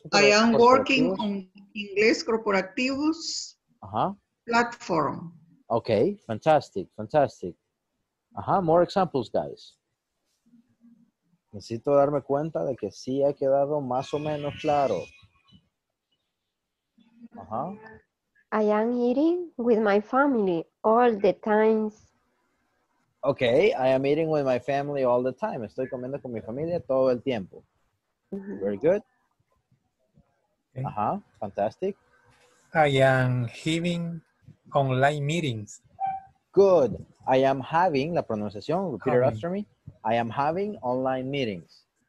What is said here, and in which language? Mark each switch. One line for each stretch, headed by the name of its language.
English: corporativos. I am working on inglés corporativos. Uh-huh. Platform. Okay, fantastic. Uh-huh. More examples, guys.
Spanish: Necesito darme cuenta de que sí ha quedado más o menos claro. Uh-huh.
English: I am eating with my family all the time. Okay, I am eating with my family all the time.
Spanish: Estoy comiendo con mi familia todo el tiempo.
English: Mm-hmm. Very good. Okay. Uh-huh. Fantastic. I am having online meetings. Good. I am having, la pronunciación, repeat it after me. I am having online meetings.